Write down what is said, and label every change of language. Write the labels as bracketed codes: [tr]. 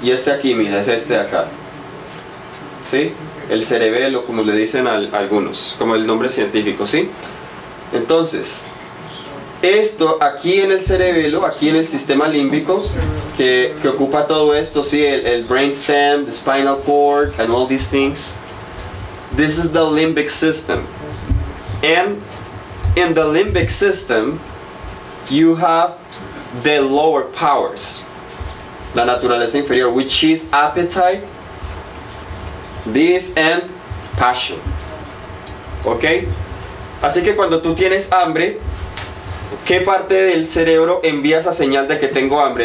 [es] Y este aquí, mira, es este de acá. ¿Sí? El cerebelo, como le dicen a algunos, como el nombre científico, ¿sí? Entonces, esto aquí en el cerebelo, aquí en el sistema límbico, que ocupa todo esto, ¿sí? [en] El brainstem, the spinal cord, and all these things. This is the limbic system. And in the limbic system, you have the lower powers, [es] la naturaleza inferior, [en] which is appetite, this and passion. [es] ¿Ok? Así que cuando tú tienes hambre, ¿qué parte del cerebro envía esa señal de que tengo hambre?